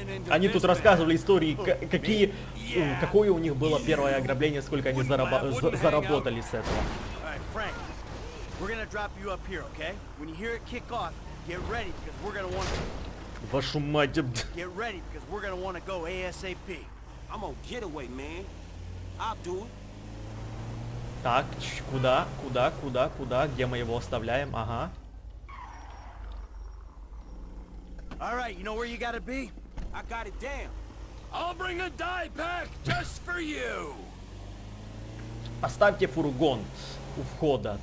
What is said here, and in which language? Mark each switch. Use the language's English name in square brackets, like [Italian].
[Russian] Они тут рассказывали истории, какие, какое у них было первое ограбление, сколько они заработали с этого. [English] Frank, we're gonna drop you up here, okay? When you hear it kick off, get ready, because we're gonna want to... [Russian] Вашу мать. [English] Get ready, because we're gonna want to go ASAP. I'm on getaway, man. I'll do it. [Russian] Так, куда, где мы его оставляем? Ага. [English] All right, you know where you gotta be? I got it down. I'll bring a dye pack just for you. [Russian] Поставьте фургон у входа.